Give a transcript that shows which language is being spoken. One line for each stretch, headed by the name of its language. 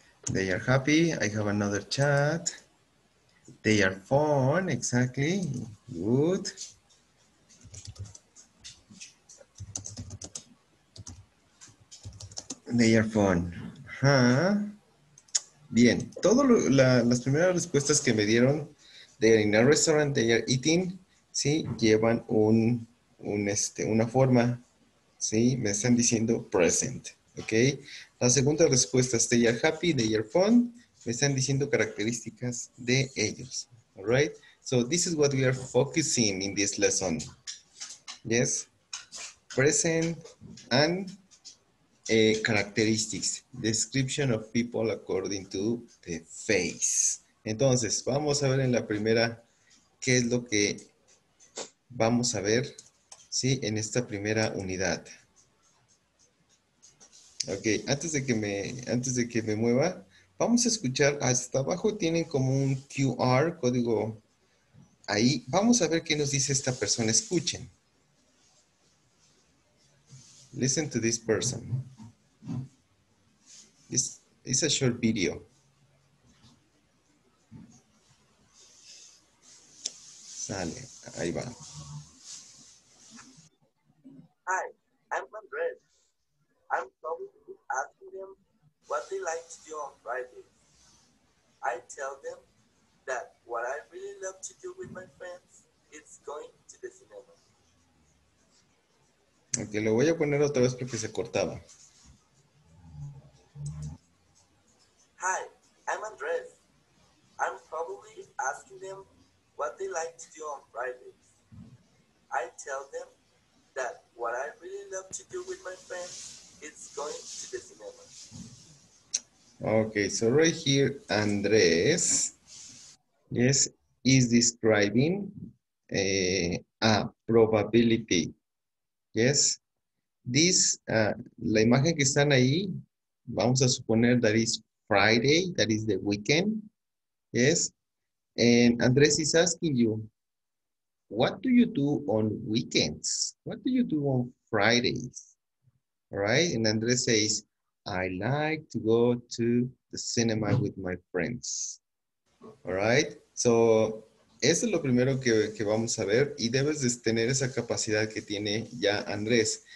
English: They are happy. I have another chat. They are fun. Exactly. Good. They are fun.
Spanish: Ajá. Bien. Todas las primeras respuestas que me dieron.
English: They are in a restaurant, they are eating,
Spanish: ¿sí? Llevan una forma, ¿sí? Me están diciendo present, ¿ok? La segunda respuesta es
English: they are happy, they are fun,
Spanish: me están diciendo características de ellos,
English: ¿all right? So, this is what we are focusing in this lesson, ¿yes? Present and characteristics, description of people according to the face.
Spanish: Entonces, vamos a ver en la primera qué es lo que vamos a ver, ¿sí? En esta primera unidad. Ok, antes de que me mueva, vamos a escuchar, hasta abajo tienen como un QR, código ahí. Vamos a ver qué nos dice esta persona. Escuchen.
English: Listen to this person. It's a short video.
Spanish: Sale, ahí va.
English: Hi, I'm Andres. I'm talking to ask them what they like to do on Friday. I tell them that what I really love to do with my friends is going to the cinema.
Spanish: Ok, lo voy a poner otra vez porque se cortaba.
English: Hi, I'm Andres. I'm probably asking them what they like to do on Fridays. I tell them that what I really love to do with my friends is going to the cinema. Okay, so right here, Andres, yes, is describing a probability. Yes, this,
Spanish: la imagen que están ahí, vamos a suponer
English: that is Friday, that is the weekend, yes. And Andres is asking you, what do you do on weekends? What do you do on Fridays? All right? And Andres says, I like to go to the cinema with my friends. All right?
Spanish: So, eso es lo primero que vamos a ver. Y debes de tener esa capacidad que tiene ya Andres.